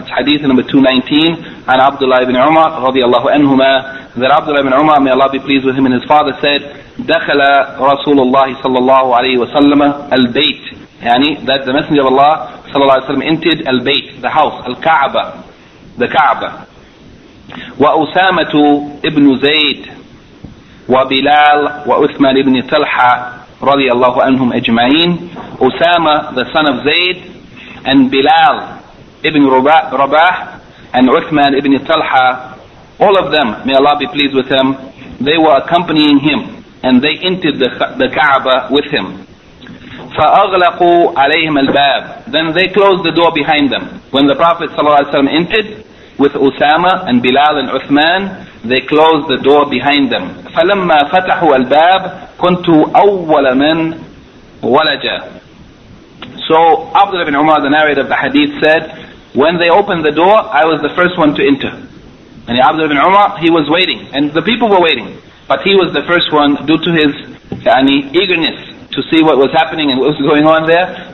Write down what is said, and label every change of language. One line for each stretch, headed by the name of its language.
English: It's hadith number 219, and Abdullah ibn Umar radiallahu anhuma, that Abdullah ibn Umar, may Allah be pleased with him and his father, said,
Arabic: دخل رسول الله صلى الله عليه وسلم البيت,
English: يعني that the Messenger of Allah صلى الله عليه وسلم entered البيت, the house, الكعبة, the Kaaba.
Arabic: وأسامة ابن زيد وبلال وعثمان ابن طلحة رضي الله عنهم أجمعين.
English: أسامة the son of Zayd and Bilal ibn Rabah and Uthman ibn Talha, all of them, may Allah be pleased with them, they were accompanying him and they entered the Kaaba with him.
Arabic: فأغلقوا عليهم الباب,
English: then they closed the door behind them. When the Prophet ﷺ entered with Usama and Bilal and Uthman, they closed the door behind them.
Arabic: فلما فتحوا الباب كنت أول من ولج.
English: So Abdullah ibn Umar, the narrator of the hadith, said, when they opened the door, I was the first one to enter. And Abdullah ibn Umar, he was waiting, and the people were waiting, but he was the first one due to his eagerness to see what was happening and what was going on there.